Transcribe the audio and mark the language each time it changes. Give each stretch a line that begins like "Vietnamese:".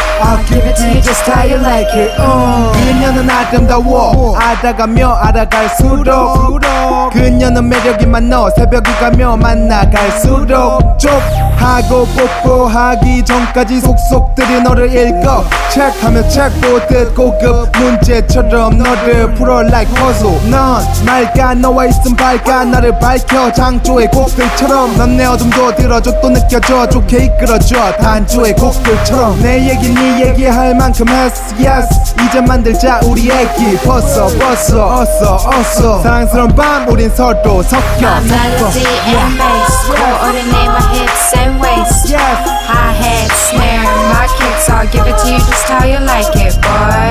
English: I'll give it to you just how you like it
Korean: 그녀는 아름다워 알아가며 알아갈수록 그녀는 매력이 많아 새벽이 가며 만나갈수록 쪽하고 뽀뽀하기 전까지 속속들이 너를 읽어 책하며 책 보듯 고급 문제처럼 너를 풀어
English: like puzzle
Korean: 넌 맑아 너와 있음 밝아 나를 밝혀 장조의 곡들처럼 넌 내 어둠도 들어줘 또 느껴져 좋게 이끌어줘 단조의 곡들처럼 내 얘기 네 얘기 할 만큼 했어 yes 이제 만들자 우리 얘기 벗어 벗어 어서 어서 사랑스러운 밤 우린 서로 섞여
English: My melody and bass coordinate my hips and waist yes. High hats snare my kicks I'll give it to you just how you like it boy